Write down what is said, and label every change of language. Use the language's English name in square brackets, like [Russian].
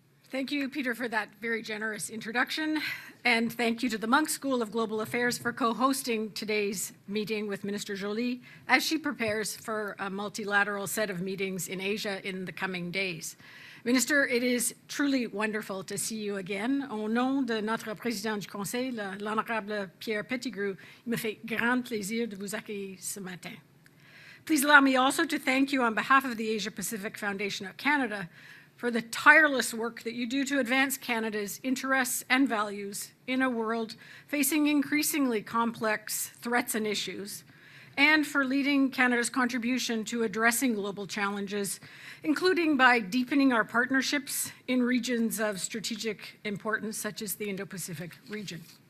[English] Thank you, Peter, for that very generous introduction. And thank you to the Munk School of Global Affairs for co-hosting today's meeting with Minister Joly as she prepares for a multilateral set of meetings in Asia in the coming days. Minister, it is truly wonderful to see you again. [French] Au nom de notre président du Conseil, l'honorable Pierre Pettigrew, il me fait grand plaisir de vous accueillir ce matin. [English] Please allow me also to thank you on behalf of the Asia-Pacific Foundation of Canada for the tireless work that you do to advance Canada's interests and values in a world facing increasingly complex threats and issues, and for leading Canada's contribution to addressing global challenges, including by deepening our partnerships in regions of strategic importance, such as the Indo-Pacific region.